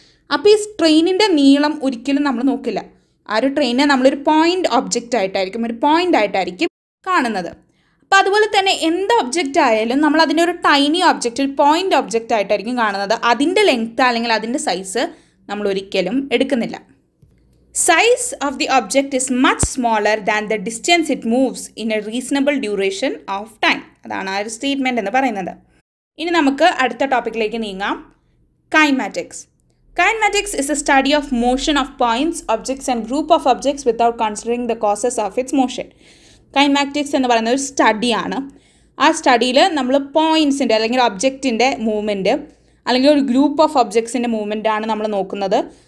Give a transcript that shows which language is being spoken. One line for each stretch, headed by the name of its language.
Malayalam: അപ്പോൾ ഈ ട്രെയിനിൻ്റെ നീളം ഒരിക്കലും നമ്മൾ നോക്കില്ല. ആ ഒരു ട്രെയിനെ നമ്മളൊരു പോയിൻ്റ് ഒബ്ജക്റ്റ് ആയിട്ടായിരിക്കും, ഒരു പോയിൻ്റ് ആയിട്ടായിരിക്കും കാണുന്നത്. അപ്പോൾ അതുപോലെ തന്നെ എന്ത് ഒബ്ജക്റ്റ് ആയാലും നമ്മൾ അതിൻ്റെ ഒരു ടൈനി ഒബ്ജക്റ്റ്, ഒരു പോയിൻ്റ് ഒബ്ജക്റ്റ് ആയിട്ടായിരിക്കും കാണുന്നത്. അതിൻ്റെ ലെങ്ത്ത് അല്ലെങ്കിൽ അതിൻ്റെ സൈസ് നമ്മൾ ഒരിക്കലും എടുക്കുന്നില്ല.
English: Size of the object is much smaller than the distance it moves in a reasonable duration of time.
Malayalam: അതാണ് ആ ഒരു സ്റ്റേറ്റ്മെൻ്റ് എന്ന് പറയുന്നത്. ഇനി നമുക്ക് അടുത്ത ടോപ്പിക്കിലേക്ക് നീങ്ങാം. Kinematics.
English: Kinematics is a study of motion of points, objects and group of objects without considering the causes of its motion.
Malayalam: Kinematics എന്ന് പറയുന്ന ഒരു സ്റ്റഡിയാണ്. ആ സ്റ്റഡിയിൽ നമ്മൾ പോയിൻറ്റ്സിൻ്റെ അല്ലെങ്കിൽ ഒബ്ജക്റ്റിൻ്റെ മൂവ്മെൻറ്റ് അല്ലെങ്കിൽ ഒരു ഗ്രൂപ്പ് ഓഫ് ഒബ്ജക്ട്സിൻ്റെ മൂവ്മെൻ്റ് ആണ് നമ്മൾ നോക്കുന്നത്.